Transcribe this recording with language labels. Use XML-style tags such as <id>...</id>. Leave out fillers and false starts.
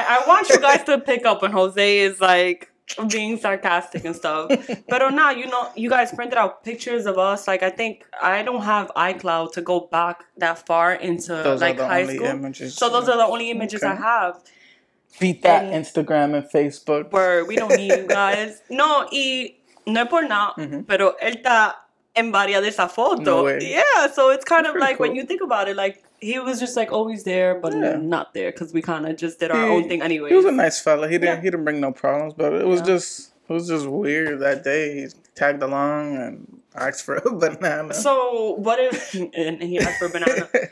<en>I want you guys to pick up when Jose is like being sarcastic and stuff. But oh, now you know, you guys printed out pictures of us. Like, I think I don't have iCloud to go back that far into those, like, high school images. So those are the only images I have. Beat that and Instagram and Facebook. Word, we don't need you guys.</en> <es>No, y no es por nada, pero él está en varias de esa foto.</es> <en>Yeah, so it's kind of like cool. When you think about it, like, he was just, like, always there, but not there, because we kind of just did our own thing anyway. He was a nice fella. He didn't bring no problems, but it was just weird that day. He tagged along and asked for a banana. So, what if... And he asked for a banana.</en>